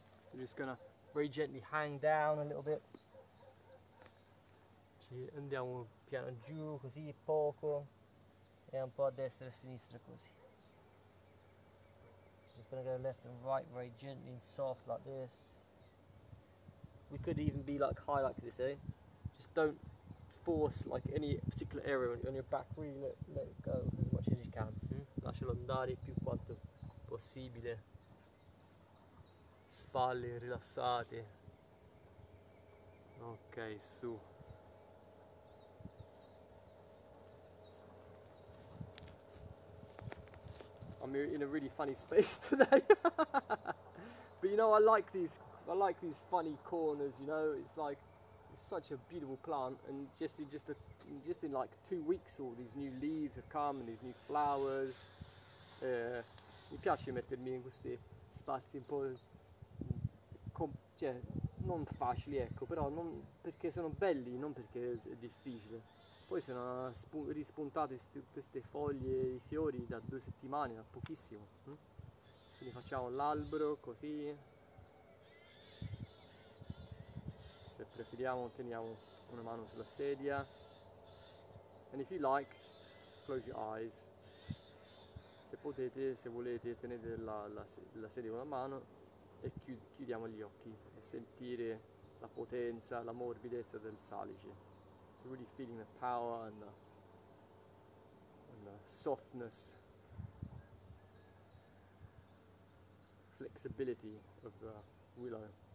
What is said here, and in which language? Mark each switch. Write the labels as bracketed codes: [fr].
[en] So just gonna very gently hang down a little bit. [it] Ci andiamo piano giù, così poco. E un po' a destra e a sinistra, così. [en] So just gonna go left and right, very gently and soft like this. We could even be like high like this, eh? Just don't force like any particular area on your back, really let it go as much as you can. [it] Lascialo andare più quanto possibile. Spalle rilassate. Ok, su. [en] I'm in a really funny space today. But you know, I like these funny corners, you know. It's like, it's such a beautiful plant, and just in like 2 weeks all these new leaves have come and these new flowers. [it] Mi piace mettermi in questi spazi un po' cioè non facili, ecco, però non perché sono belli, non perché è difficile. Poi sono rispuntate queste foglie, i fiori da 2 settimane, da pochissimo. Quindi facciamo l'albero così. Se preferiamo teniamo una mano sulla sedia. [en] And if you like, close your eyes. [it] Se potete, se volete, tenete la sedia con una mano e chiudiamo gli occhi e sentire la potenza, la morbidezza del salice. [en] So really feeling the power and the softness, flexibility of the willow.